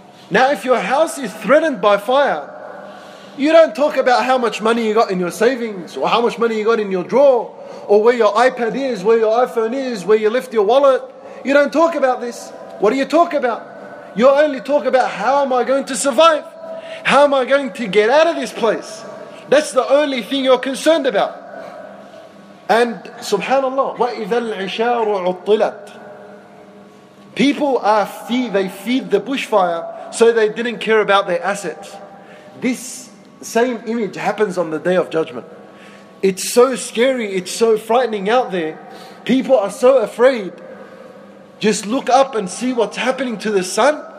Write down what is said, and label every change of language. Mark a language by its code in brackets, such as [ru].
[en] Now if your house is threatened by fire, you don't talk about how much money you got in your savings, or how much money you got in your drawer, or where your iPad is, where your iPhone is, where you left your wallet. You don't talk about this. What do you talk about? You only talk about how am I going to survive? How am I going to get out of this place? That's the only thing you're concerned about. [ar] And subhanallah, وَإِذَا الْعِشَارُ عُطِّلَتْ. [en] People are feed, they feed the bushfire, so they didn't care about their assets. This same image happens on the Day of Judgment. It's so scary, it's so frightening out there. People are so afraid. Just look up and see what's happening to the sun.